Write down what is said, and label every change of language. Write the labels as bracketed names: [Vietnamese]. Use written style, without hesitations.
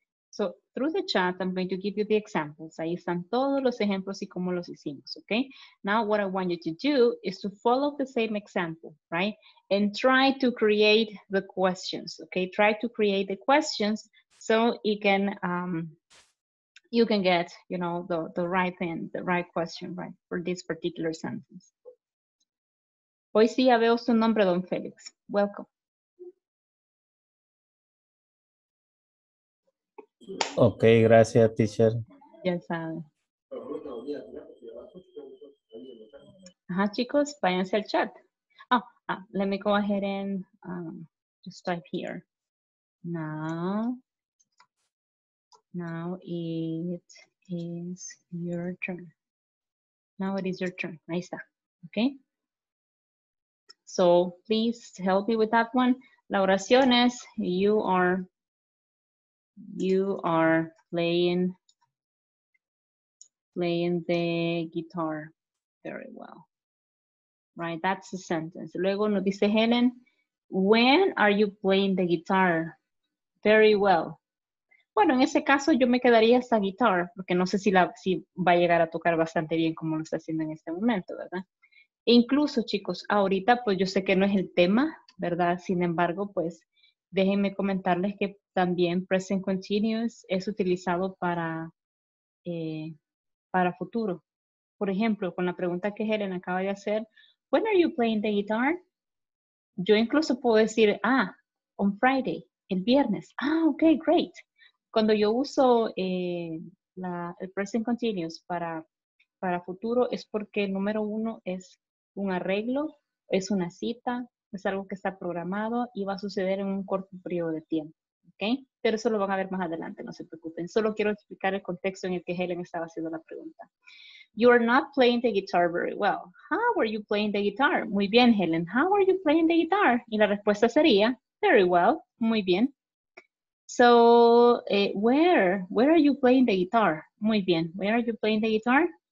[English] So, through the chat, I'm going to give you the examples. [Spanish] Ahí están todos los ejemplos y cómo los hicimos, okay? [English] Now, what I want you to do is to follow the same example, right? And try to create the questions, okay? Try to create the questions so you can, get, you know, the right thing, the right question, right, for this particular sentence. [Spanish] Hoy sí ya veo su nombre, Don Félix. [English] Welcome. [Spanish] Ok, gracias, teacher. Ya sabe. Ajá, chicos, váyanse al chat. [English] Let me go ahead and just type here. Now it is your turn. Now it is your turn. [Spanish] Ahí está. [English] Ok. So, please help me with that one. [Spanish] La oración es, [English] you are playing the guitar very well, right? That's the sentence. [Spanish] Luego nos dice [English] Helen, when are you playing the guitar very well? [Spanish] Bueno, en ese caso yo me quedaría esa guitar porque no sé si va a llegar a tocar bastante bien como lo está haciendo en este momento, ¿verdad? E incluso, chicos, ahorita pues yo sé que no es el tema, ¿verdad? Sin embargo, pues déjenme comentarles que también present continuous es utilizado para futuro. Por ejemplo, con la pregunta que Helen acaba de hacer, [English] when are you playing the guitar? [Spanish] Yo incluso puedo decir, [English] on Friday, [Spanish] el viernes. [English] Okay, great. [Spanish] Cuando yo uso el present continuous para futuro es porque número uno es un arreglo, es una cita, es algo que está programado y va a suceder en un corto periodo de tiempo. Okay. Pero eso lo van a ver más adelante, no se preocupen. Solo quiero explicar el contexto en el que Helen estaba haciendo la pregunta. [English] You are not playing the guitar very well. How are you playing the guitar? [Spanish] Muy bien, Helen. [English] How are you playing the guitar? [Spanish] Y la respuesta sería, [English] very well. [Spanish] Muy bien. [English] So, where are you playing the guitar? [Spanish] Muy bien. [English] Where are you playing the guitar?